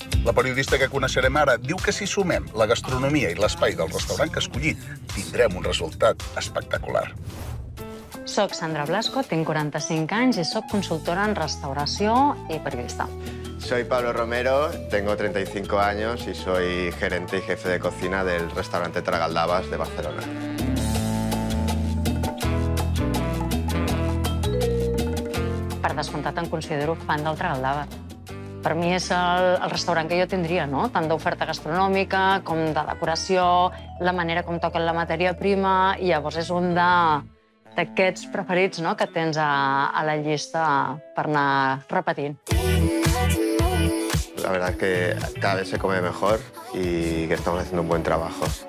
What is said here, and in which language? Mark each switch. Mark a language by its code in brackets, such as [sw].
[ca] La periodista que coneixerem ara diu que si sumem la gastronomia i l'espai del restaurant que ha escollit, tindrem un resultat espectacular. Soc Sandra Blasco, tinc 45 anys i soc consultora en restauració i periodista. [es] Soy Pablo Romero, tengo 35 años y soy gerente y jefe de cocina del restaurante Tragaldabas de Barcelona. [ca] Per descomptat, em considero fan del Tragaldabas. Per mi és el restaurant que jo tindria, no? Tant d'oferta gastronòmica com de decoració, la manera com toquen la matèria prima, i llavors és un d'aquests preferits, no?, que tens a la llista per anar repetint. [es] La verdad es que cada vez se come mejor y que estamos haciendo un buen trabajo.